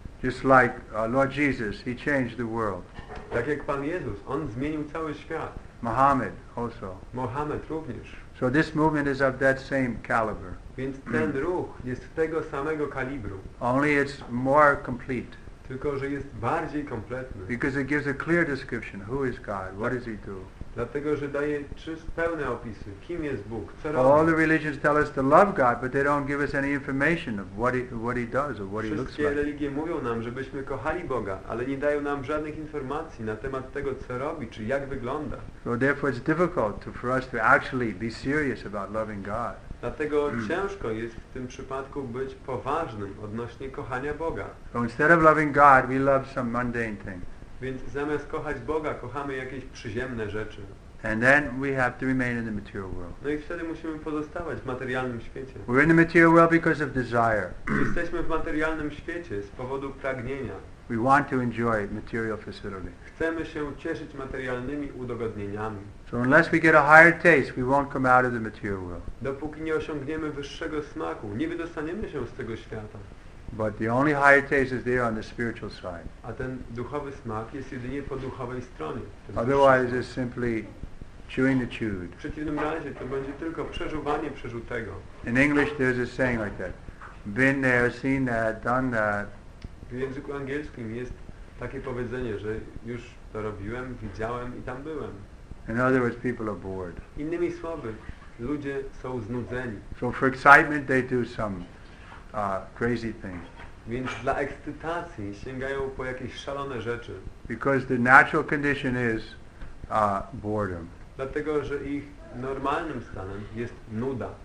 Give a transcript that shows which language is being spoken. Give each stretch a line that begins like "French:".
English: Just like Lord Jesus, he changed the world.
Polish: Tak jak Pan Jezus, on zmienił cały świat.
English: Muhammad also.
Polish: Muhammad również.
English: So this movement is of that same caliber.
Polish: Więc ten ruch jest tego samego kalibru.
English: Only it's more complete.
Polish: Tylko że jest bardziej kompletny.
English: Because it gives a clear description who is God, what does he do.
Polish: Dlatego że daje pełne opisy, kim jest Bóg, co robi.
English: All the religions tell us to love God, but they don't give us any information of what he does or what he looks like.
Polish: Wszystkie religie mówią nam, żebyśmy kochali Boga, ale nie dają nam żadnych informacji na temat tego, co robi, czy jak wygląda.
English: So therefore it's difficult for us to actually be serious about loving God.
Polish: Dlatego ciężko jest w tym przypadku być poważnym odnośnie kochania Boga.
English: So instead of loving God, we love some mundane thing.
Polish: Więc zamiast kochać Boga, kochamy jakieś przyziemne rzeczy.
English: And then we have to remain in the material world.
Polish: No i wtedy musimy pozostawać w materialnym świecie.
English: We're in the material world because of desire.
Polish: Jesteśmy w materialnym świecie z powodu pragnienia.
English: We want to enjoy material facility.
Polish: Chcemy się cieszyć materialnymi udogodnieniami.
English: So unless we get a higher taste, we won't come out of the material world.
Polish: Dopóki nie osiągniemy wyższego smaku, nie wydostaniemy się z tego świata.
English: But the only higher taste is there on the spiritual side.
Polish: A ten duchowy smak jest jedynie po duchowej stronie.
English: Otherwise it's simply chewing the chewed.
Polish: W przeciwnym razie to będzie tylko przeżuwanie przeżutego.
English: In English there's a saying like that. Been there, seen that, done that.
Polish: W języku angielskim jest takie powiedzenie, że już to robiłem, widziałem i tam byłem.
English: In other words, people are bored.
Polish: Innymi słowy, ludzie są znudzeni.
English: So for excitement they do some crazy thing.
Polish: Więc dla ekscytacji sięgają po jakieś szalone rzeczy.
English: Because the natural condition is boredom.
Polish: Dlatego, że ich normalnym stanem jest nuda.